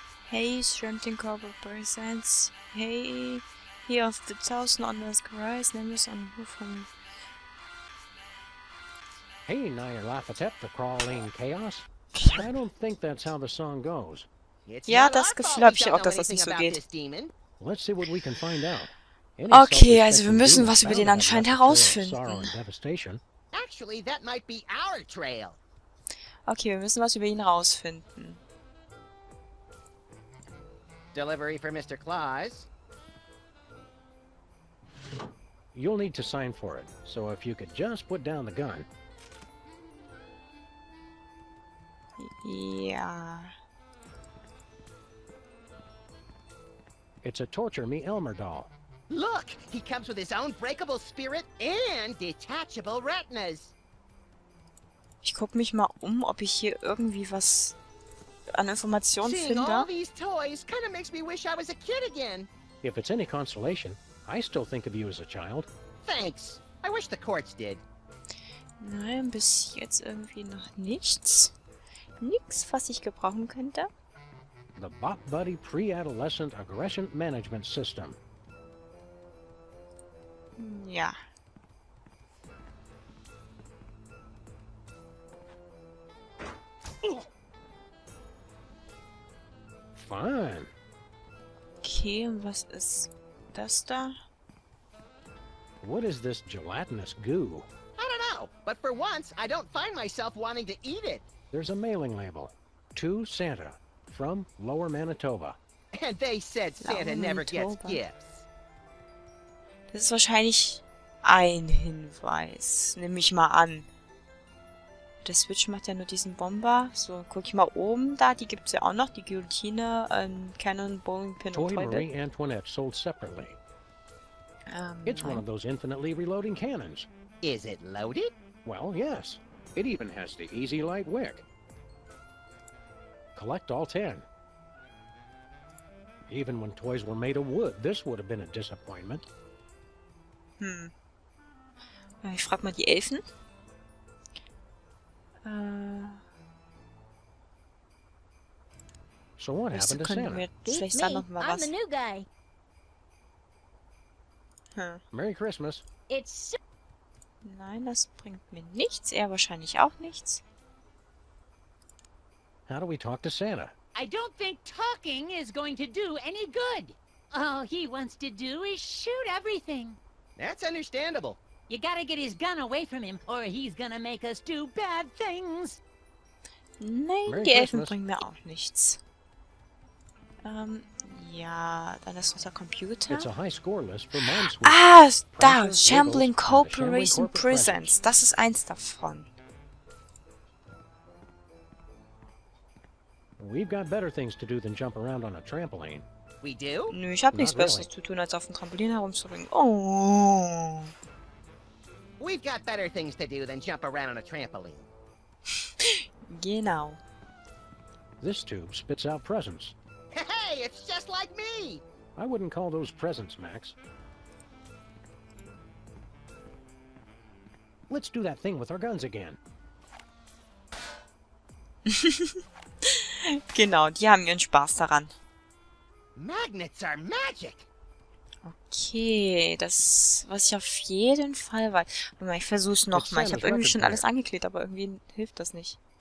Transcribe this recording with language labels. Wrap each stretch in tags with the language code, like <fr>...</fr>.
<en>Hey, Shrimpton Corporal presents. Hey, here of the thousand underscore eyes, name is on who from. Hey, Nyer Lafayette, the crawling chaos. I don't think that's how the song goes.</en> <de>Ja, das Gefühl habe ich auch, dass das nicht so geht.</de> <en>Let's see what we can find out.</en> <de>Okay, also wir müssen was über den anscheinend herausfinden.</de> <en>Actually, that might be our trail.</en> <de>Okay, wir müssen was über ihn herausfinden.</de> <en>Delivery for Mr. Claus. You'll need to sign for it. So if you could just put down the gun. Yeah. It's a torture me Elmer doll. Look, he comes with his own breakable spirit and detachable retinas.</en> <de>Ich guck mich mal um, ob ich hier irgendwie was an Informationen finde.</de> <en>Seeing all these toys kind of makes me wish I was a kid again. If it's any consolation, I still think of you as a child. Thanks. I wish the courts did.</en> <de>Nein, bis jetzt irgendwie noch nichts. Nix, was ich gebrauchen könnte.</de> <en>The Bop Buddy Pre-Adolescent Aggression Management System.</en> <de>Ja.</de> <en>Fine.</en> <de>Okay, und was ist das da?</de> <en>What is this gelatinous goo? I don't know, but for once, I don't find myself wanting to eat it. There's a mailing label. To Santa. From Lower Manitoba. And they said Santa never gets gifts.</en> <de>Das ist wahrscheinlich ein Hinweis. Nehme ich mal an. Der Switch macht ja nur diesen Bomber. So, guck ich mal oben da. Die gibt's ja auch noch. Die Guillotine, Cannon, Bowling Pin</de> <en>Toy</en> <de>und Toy</de> <en>Marie Antoinette sold separately. It's one of those infinitely reloading cannons. Is it loaded? Well, yes. It even has the easy light wick. Collect all 10. Even when toys were made of wood, this would have been a disappointment.</en> <de>Hm. Ich frag mal die Elfen.</de> <en>So what happened to Santa?</en> <de>Vielleicht sag noch mal was.</de> <en>I'm the new guy. Merry Christmas. It's</en> <de>nein, das bringt mir nichts. Er wahrscheinlich auch nichts.</de> <en>How do we talk to Santa? I don't think talking is going to do any good. All he wants to do is shoot everything. That's understandable. You gotta get his gun away from him, or he's gonna make us do bad things.</en> <de>Nein,</de> <en>Merry</en> <de>die</de> <en>Christmas.</en> <de>Elfen bringen mir auch nichts. Ja, dann ist unser Computer.</de> <en>It's a high score list for</en> <de>da, Shambling Corporation Presents. Das ist eins davon.</de> <en>We've got better things to do than jump around on a trampoline. We do?</en> <de>Nö, ich hab nichts Besseres zu tun, als auf dem Trampolin herumzuspringen.</de> <en>Oh. We've got better things to do than jump around on a trampoline.</en> <de>Genau.</de> <en>This tube spits out presents. Hey, it's just like me! I wouldn't call those presents, Max. Let's do that thing with our guns again.</en> <de>Genau, die haben ihren Spaß daran.</de> <en>Magnets are magic.</en> <de>Okay, das, was ich auf jeden Fall weiß. Ich versuch's nochmal. Ich habe irgendwie schon alles angeklebt, aber irgendwie hilft das nicht.</de>